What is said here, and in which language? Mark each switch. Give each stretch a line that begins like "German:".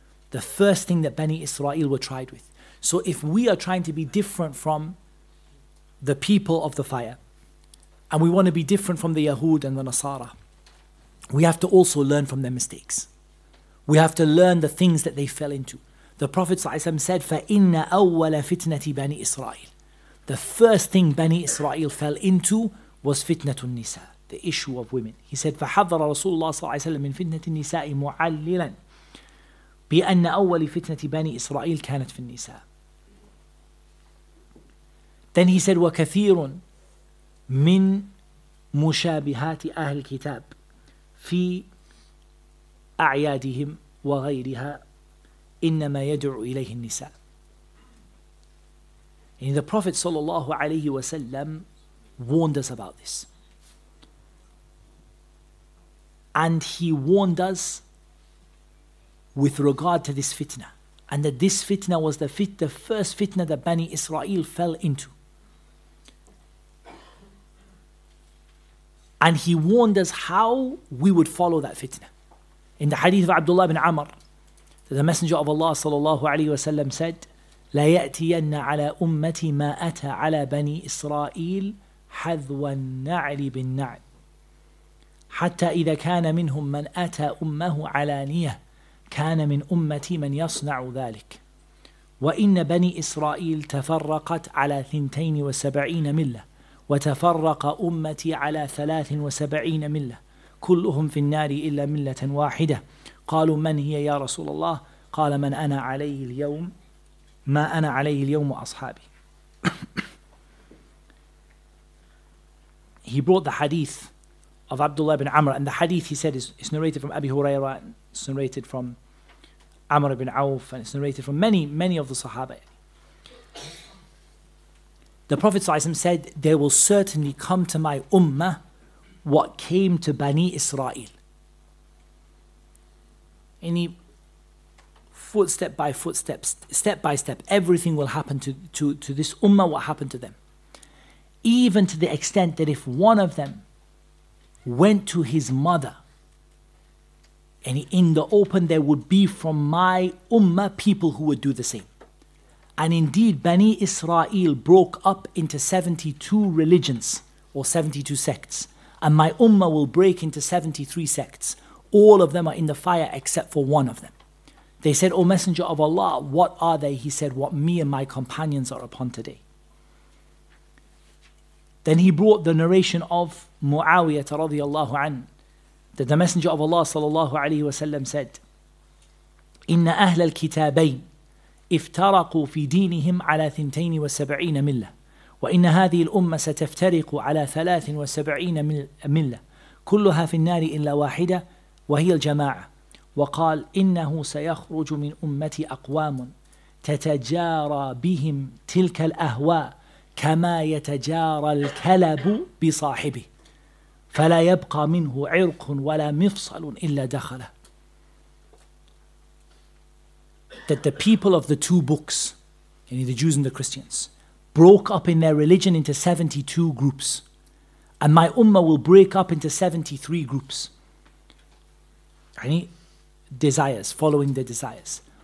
English: The first thing that Bani Israel were tried with. So if we are trying to be different from the people of the fire, and we want to be different from the Yahud and the Nasara, we have to also learn from their mistakes. We have to learn the things that they fell into. The Prophet ﷺ said,
Arabic: فَإِنَّ أَوَّلَ فِتْنَةِ بَنِي إِسْرَائِيلِ.
English: The first thing Bani Israel fell into was
Arabic: فِتْنَةُ النِّسَاءِ,
English: the issue of women. He said,
Arabic: فَحَذَّرَ رَسُولُ اللَّهِ صَلَّى اللَّهِ عَلَيْهِ وَسَلَّمَ مِنْ فِتْنَةِ النِّسَاءِ مُعَلِّلًا بِأَنَّ أَوَّلِ فِتْنَةِ بَنِي إِسْرَائِيلِ كَانَتْ فِي النِّسَاءِ.
English: Then he said,
Arabic: وَكَثِيرٌ مِنْ مُشَابِهَاتِ أَهْلِ الْكِتَابِ فِي أَعْيَادِهِمْ وَغَيْرِهَا إِنَّمَا يَدْعُ إِلَيْهِ النِّسَاءِ.
English: And the Prophet sallallahu alayhi wa sallam warned us about this. And he warned us with regard to this fitna, and that this fitna was the first fitna that Bani Israel fell into. And he warned us how we would follow that fitna. In the hadith of Abdullah ibn Amr, the Messenger of Allah sallallahu alayhi wa sallam said,
Arabic: لَا يَأْتِيَنَّ عَلَىٰ أُمَّتِي مَا أَتَىٰ عَلَىٰ بَنِي إِسْرَائِيلِ حَذْوَ النَّعْلِ بِالنَّعْلِ حَتَّى إِذَا كَانَ مِنْهُمْ مَنْ أَتَىٰ أُمَّهُ عَلَانِيَةً كَانَ مِنْ أُمَّتِي مَنْ يَصْنَعُ ذَلِكَ وَإِنَّ بَنِي إِسْرَائِيلَ تَفَرَّقَتْ عَلَىٰ 72 مِلَّةً وَتَفَرَّقَ أُمَّتِي عَلَىٰ 73 مِلَّةً كُلُّهُمْ فِي النَّارِ إِلَّا مِلَّةً وَاحِدَةً قَالُوا مَنْ هِيَ يَا رَسُولَ اللَّهِ قَالَ مَنْ أَنَا عَلَيْهِ الْيَوْمَ مَا أَنَا عَلَيْهِ الْيَوْمَ وَأَصْحَابِي.
English: He brought the hadith of Abdullah ibn Amr, and the hadith, he said, is narrated from Abi Huraira, it's narrated from Amr ibn Auf, and it's narrated from many, many of the Sahaba. The Prophet ﷺ said, there will certainly come to my ummah what came to Bani Israel. Any footstep by footstep, step by step, everything will happen to this ummah what happened to them. Even to the extent that if one of them went to his mother, and in the open there would be from my ummah people who would do the same. And indeed, Bani Israel broke up into 72 religions or 72 sects, and my ummah will break into 73 sects. All of them are in the fire except for one of them. They said, O Messenger of Allah, what are they? He said, what me and my companions are upon today. Then he brought the narration of Muawiyah radiallahu an, that the Messenger of Allah sallallahu alayhi wa sallam said,
Arabic: إِنَّ أَهْلَ الْكِتَابَيْنِ افْتَرَقُوا فِي دِينِهِمْ عَلَىٰ 72 مِلَّةٍ وَإِنَّ هَذِهِ الْأُمَّةَ سَتَفْتَرِقُ عَلَىٰ 73 مِلَّةٍ كُلُّهَا فِي النَّارِ إِلَّا وَاحِدَةٍ وَهِيَ الْجَمَاعَةِ وَقَالْ إِنَّهُ سَيَخْرُجُ مِنْ أُمَّةِ أَقْوَامٌ تَتَجَارَى بِهِمْ تِلْكَ الْأَهْوَى كَمَا يَتَجَارَى الْكَلَبُ بِصَاحِبِهِ فَلَا يَبْقَى مِنْهُ عِرْقٌ وَلَا مِفْصَلٌ إِلَّا دَخَلَهُ.
English: That the people of the two books, meaning the Jews and the Christians, broke up in their religion into 72 groups. And my ummah will break up into 73 groups. Any desires, following their desires.